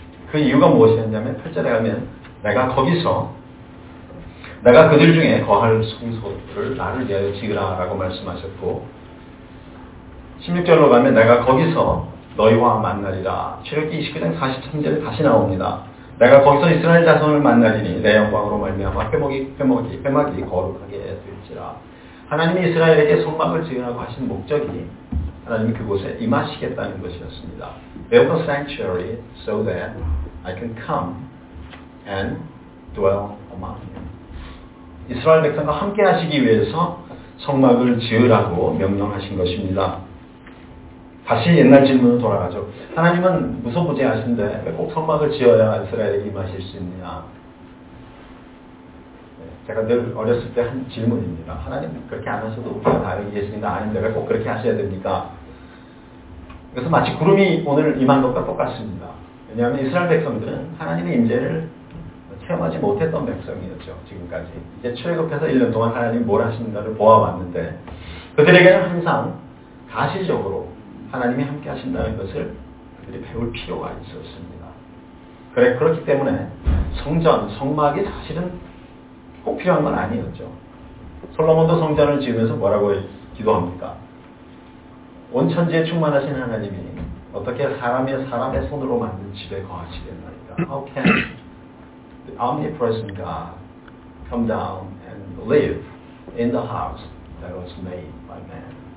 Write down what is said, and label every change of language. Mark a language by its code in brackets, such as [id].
[ko] 그 이유가 무엇이었냐면 8절에 가면 내가 거기서 내가 그들 중에 거할 성소를 나를 위하여 지으라 라고 말씀하셨고, 16절로 가면 내가 거기서 너희와 만나리라. 출애굽기 29장 43절에 다시 나옵니다. 내가 거기서 이스라엘 자손을 만나리니 내 영광으로 말미암아 회막이 거룩하게 될지라. 하나님이 이스라엘에게 성막을 지으라고 하신 목적이 하나님이 그곳에 임하시겠다는 것이었습니다. [en] Build a sanctuary so that I can come and dwell among you. [ko] 이스라엘 백성과 함께 하시기 위해서 성막을 지으라고 명령하신 것입니다. 다시 옛날 질문으로 돌아가죠. 하나님은 무소부재하신데 왜 꼭 성막을 지어야 이스라엘에게 임하실 수 있느냐? 제가 늘 어렸을 때 한 질문입니다. 하나님 그렇게 안 하셔도 우리가 다 알고 계십니다. 아닌데 왜 꼭 그렇게 하셔야 됩니까? 그래서 마치 구름이 오늘 임한 것과 똑같습니다. 왜냐하면 이스라엘 백성들은 하나님의 임재를 체험하지 못했던 백성이었죠. 지금까지 이제 출애굽해서 1년 동안 하나님이 뭘 하신다를 보아왔는데 그들에게는 항상 가시적으로 하나님이 함께 하신다는 것을 그들이 배울 필요가 있었습니다. 그렇기 때문에 성전, 성막이 사실은 꼭 필요한 건 아니었죠. 솔로몬도 성전을 지으면서 뭐라고 기도합니까? 온 천지에 충만하신 하나님이 어떻게 사람의 손으로 만든 집에 거하시겠나이까? [en] How can the omnipresent God come down and live in the house that was made by man?